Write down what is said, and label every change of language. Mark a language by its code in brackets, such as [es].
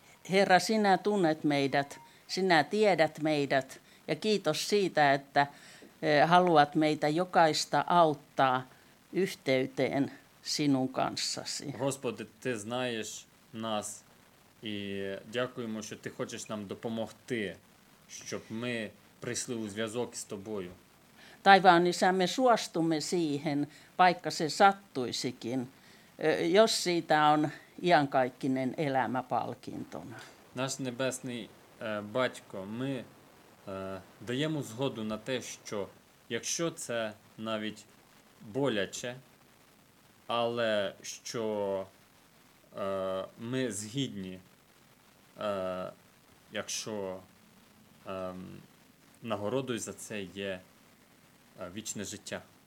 [fi] Herra, sinä tunnet meidät, sinä tiedät meidät. Ja kiitos siitä, että haluat meitä jokaista auttaa yhteyteen sinun kanssasi. [uk] Господи, ти знаєш нас, і дякуємо, що ти хочеш нам допомогти, щоб ми прийшли у зв'язок з тобою. [fi] Taivaan isä, me suostumme siihen, vaikka se sattuisikin, jos siitä on iankaikkinen elämä palkintona. [uk] Наш небесний батько, ми даємо згоду на те, що якщо це навіть боляче, але що ми згідні, якщо нагородою за це є вічне життя.